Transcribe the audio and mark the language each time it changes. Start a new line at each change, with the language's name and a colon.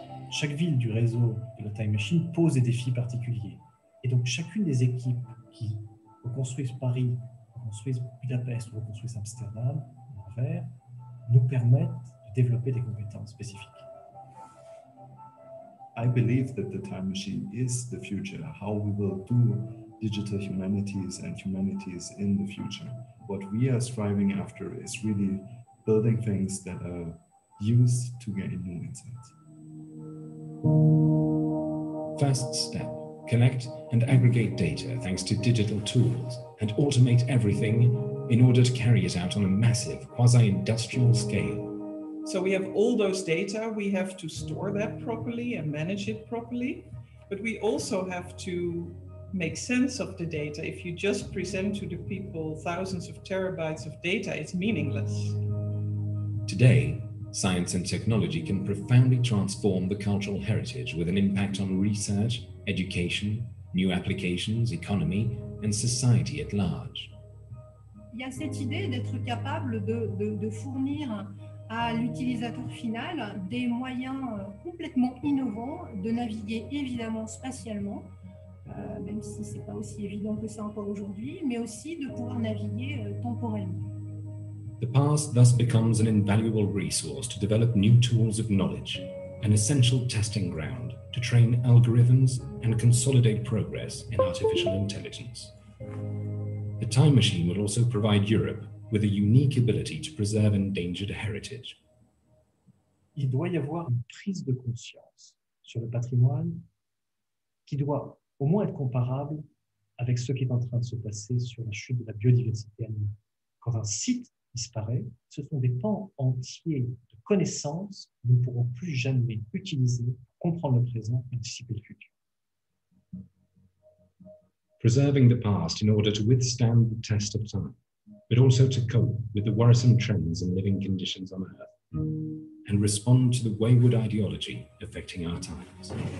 French: Chaque ville du réseau de la Time Machine pose des défis particuliers. Et donc chacune des équipes qui reconstruisent Paris, reconstruisent Budapest ou reconstruisent Amsterdam, l'envers, nous permettent de développer des compétences spécifiques.
English: I believe that the time machine is the future, how we will do digital humanities and humanities in the future. What we are striving after is really building things that are used to gain new insights. First step, collect and aggregate data thanks to digital tools and automate everything in order to carry it out on a massive quasi-industrial scale. So we have all those data, we have to store that properly and manage it properly, but we also have to make sense of the data. If you just present to the people thousands of terabytes of data, it's meaningless. Today, science and technology can profoundly transform the cultural heritage with an impact on research, education, new applications, economy, and society at large.
French: Il y a cette idée d'être capable de fournir à l'utilisateur final des moyens complètement innovants de naviguer évidemment spatialement, même si c'est pas aussi évident que ça encore aujourd'hui, mais aussi de pouvoir naviguer temporellement.
English: The past thus becomes an invaluable resource to develop new tools of knowledge, an essential testing ground to train algorithms and consolidate progress in artificial intelligence. The time machine will also provide Europe with a unique ability to preserve endangered heritage.
French: Il doit y avoir une prise de conscience sur le patrimoine qui doit au moins être comparable avec ce qui est en train de se passer sur la chute de la biodiversité animale. Quand un site disparaît, ce sont des pans entiers de connaissances que nous ne pourrons plus jamais utiliser pour comprendre le présent et anticiper le futur.
English: Preserving the past in order to withstand the test of time, but also to cope with the worrisome trends and living conditions on Earth, and respond to the wayward ideology affecting our times.